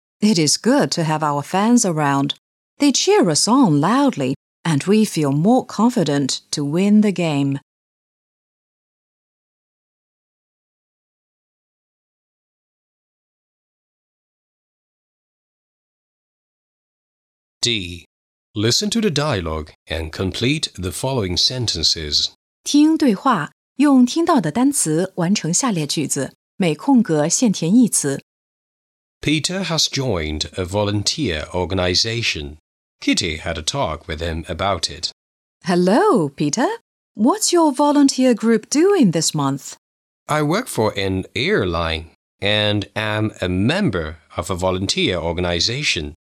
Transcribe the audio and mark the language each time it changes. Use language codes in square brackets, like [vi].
[en] It is good to have our fans around. They cheer us on loudly, and we feel more confident to win the game. D. Listen to the dialogue and complete the following sentences. [zh] 听对话，用听到的单词完成下列句子，每空格限填一词。 [en] Peter has joined a volunteer organization. Kitty had a talk with him about it. Hello, Peter. What's your volunteer group doing this month? I work for an airline and am a member of a volunteer organization.